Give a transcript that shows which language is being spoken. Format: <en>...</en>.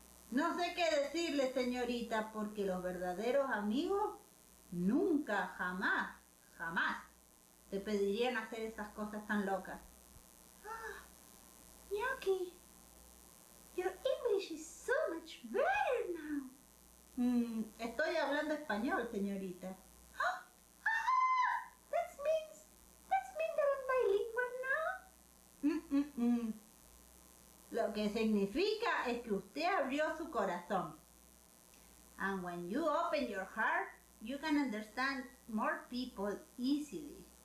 <es>No sé qué decirle, señorita, porque los verdaderos amigos nunca, jamás, jamás te pedirían hacer esas cosas tan locas. Ah,</es> <en>Yoki, your English is so much better now.</en> <es>Estoy hablando español, señorita.</es> <en>That means that I'm bilingual now? Mm-mm-mm.</en> <es>Lo que significa es que usted abrió su corazón.</es> <en>And when you open your heart, you can understand more people easily.</en>